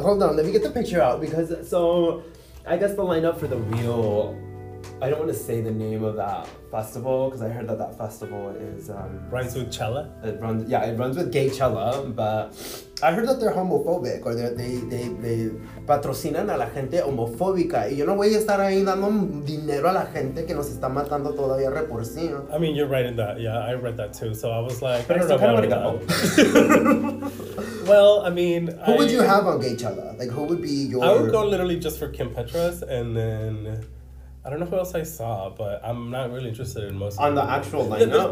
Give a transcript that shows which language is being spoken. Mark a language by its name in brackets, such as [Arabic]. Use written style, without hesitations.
[English] Hold on, let me get the picture out because so I guess the lineup for the real, I don't want to say the name of that festival because I heard that festival is runs with Chella. It runs with Gaychella, but I heard that they're homophobic or they [Spanish] patrocinan a la gente homofóbica. Y yo no voy a estar ahí dando dinero a la gente que nos está matando todavía de por sí. [English] I mean, you're right in that. Yeah, I read that too. So I was like, but I don't know where to go. Well, I mean, who would you have on Gaychella? Like, who would be your? I would go literally just for Kim Petras, and then I don't know who else I saw, but I'm not really interested in most. On the actual lineup,